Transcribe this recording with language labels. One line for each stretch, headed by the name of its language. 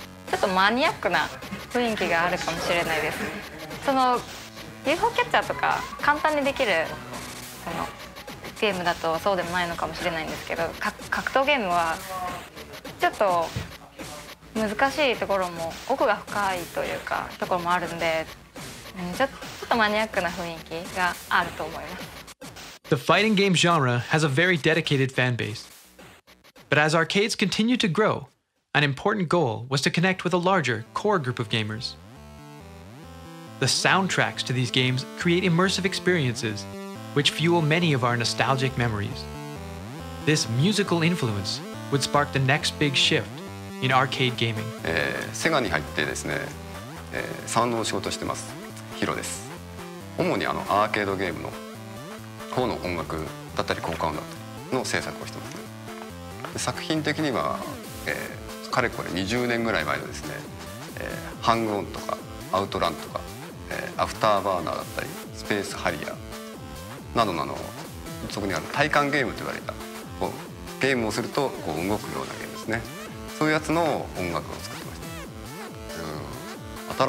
Japanese: ちょっとマニアックな雰囲気があるかもしれないです。その UFO キャッチャーとか簡単にできるそのゲームだとそうでもないのかもしれないんですけど、格闘ゲームはちょっと難しいところも、奥が深いというかところもあるんで、ちょっとマニアックな雰囲気があると思います。
English: The fighting game genre has a very dedicated fan base. But as arcades continue to grow,An important goal was to connect with a larger core group of gamers. The soundtracks to these games create immersive experiences, which fuel many of our nostalgic memories. This musical influence would spark the next big shift in arcade gaming.
Japanese: セガに入ってですね、サウンドの仕事をしてます。ヒロです。主にあのアーケードゲームの方の音楽だったり効果音だったりの制作をしてます。作品的には、かれこれ20年ぐらい前のですね、ハングオンとかアウトランとか、アフターバーナーだったりスペースハリアーなどなど、そこにある体感ゲームと言われた、こうゲームをするとこう動くようなゲームですね、そういうやつの音楽を作ってました。